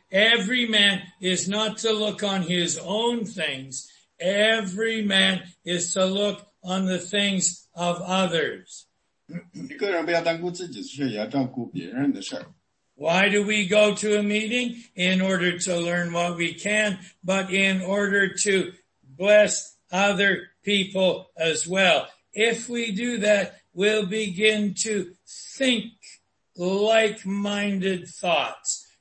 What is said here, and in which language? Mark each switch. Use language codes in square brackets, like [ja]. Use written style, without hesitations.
[en] every man is not to look on his own things. Every man is to look on the things of others. [zh] 一个人不要单顾自己的事，也要照顾别人的事。 [en] Why do we go to a meeting? In order to learn what we can, but in order to bless other people as well. If we do that, we'll begin to think like-minded thoughts.